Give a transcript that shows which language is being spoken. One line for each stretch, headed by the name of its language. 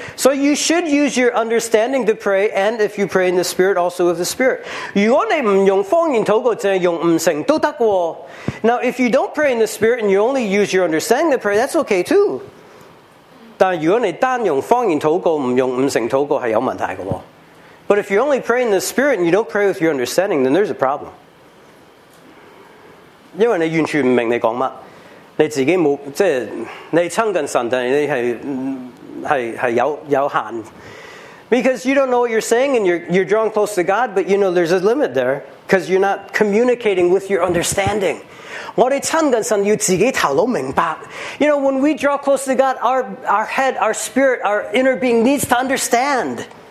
English: So you should use your understanding to pray, and if you pray in the Spirit, also with the Spirit.
Chinese: 如果你不用方言祷告,只是用悟性都可以。
English: Now if you don't pray in the Spirit, and you only use your understanding to pray, that's okay too.
Chinese: 但如果你单用方言祷告,不用悟性祷告,是有问题的。
English: But if you only pray in the Spirit and you don't pray with your understanding, then there's a problem.
Chinese: 因为你完全不明白你说什么,你自己没,即是,你亲近神,但是你是有限。
English: Because you don't know what you're saying and you're drawing close to God, but you know there's a limit there, because you're not communicating with your understanding.
Chinese: 我们亲近神,要自己头脑明白。
English: You know, when we draw close to God, our head, our spirit, our inner being needs to understand.